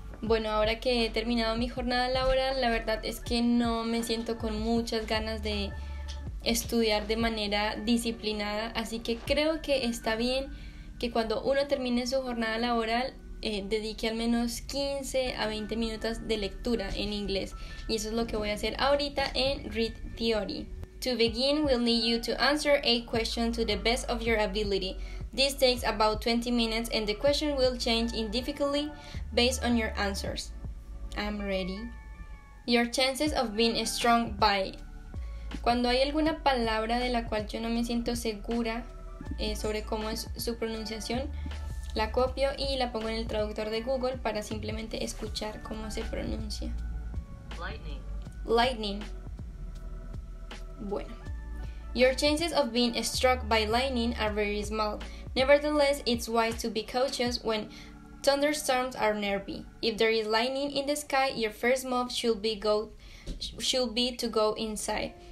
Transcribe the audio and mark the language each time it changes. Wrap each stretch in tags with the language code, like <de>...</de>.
<es>Bueno, ahora que he terminado mi jornada laboral, la verdad es que no me siento con muchas ganas de estudiar de manera disciplinada, así que creo que está bien que cuando uno termine su jornada laboral, dedique al menos 15 a 20 minutos de lectura en inglés. Y eso es lo que voy a hacer ahorita en Read Theory.</es> <en>To begin, we'll need you to answer a question to the best of your ability. This takes about 20 minutes and the question will change in difficulty based on your answers. I'm ready. Your chances of being strong by.</en> <es>Cuando hay alguna palabra de la cual yo no me siento segura sobre cómo es su pronunciación, la copio y la pongo en el traductor de Google para simplemente escuchar cómo se pronuncia.</es> <en>Lightning.</en> <es>Bueno.</es> <en>Your chances of being struck by lightning are very small. Nevertheless, it's wise to be cautious when thunderstorms are nearby. If there is lightning in the sky, your first move should be to go inside.</en>